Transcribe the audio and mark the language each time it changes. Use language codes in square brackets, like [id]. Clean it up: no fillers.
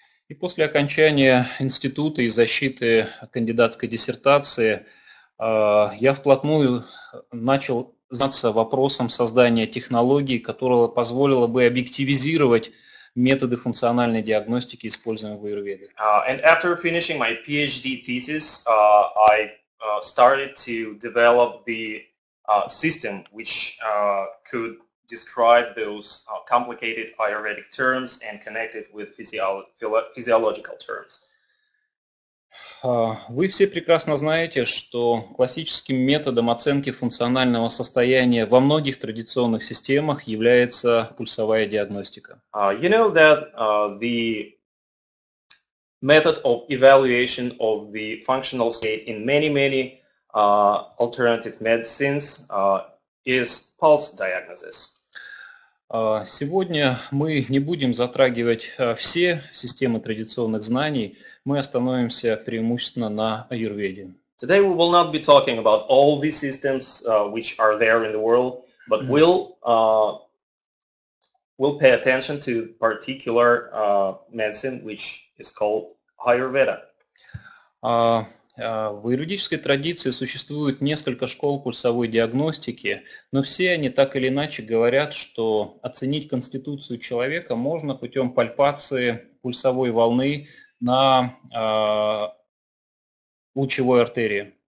[ru] И после окончания института и защиты кандидатской диссертации я вплотную начал заниматься вопросом создания технологии, которая позволила бы объективизировать методы функциональной диагностики, используемые в Аюрведе. [en] And after finishing my PhD thesis, I started to develop the system which could describe those complicated Ayurvedic terms and connect it with physiological terms. [ru] Вы все прекрасно знаете, что классическим методом оценки функционального состояния во многих традиционных системах является пульсовая диагностика. [en] You know that the method of evaluation of the functional state in many alternative medicines is pulse diagnosis. [ru] Сегодня мы не будем затрагивать все системы традиционных знаний, мы остановимся преимущественно на аюрведе. [en] Today we will not be talking about all the systems which are there in the world, but we'll pay attention to particular medicine which is called Ayurveda. [ru] В юридической традиции существует несколько школ пульсовой диагностики, но все они так или иначе говорят, что оценить конституцию человека можно путем пальпации пульсовой волны на лучевой артерии.